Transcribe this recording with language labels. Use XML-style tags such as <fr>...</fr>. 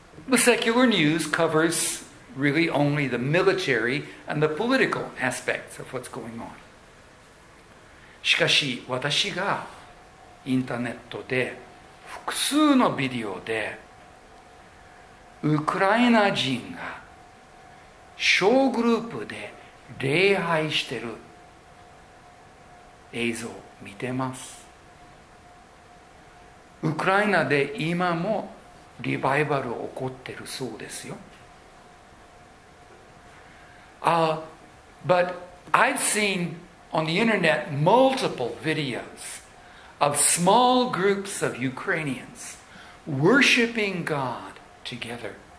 <en>The secular news covers really only the military and the political aspects of what's going on。</en> <ja>しかし私がインターネットで複数のビデオでウクライナ人が小グループで礼拝してる映像を見てます。ウクライナで今もリバイバル起こってるそうですよ。</ja> <en>But I've seen on the internet multiple videos of small groups of Ukrainians worshiping God together。</en>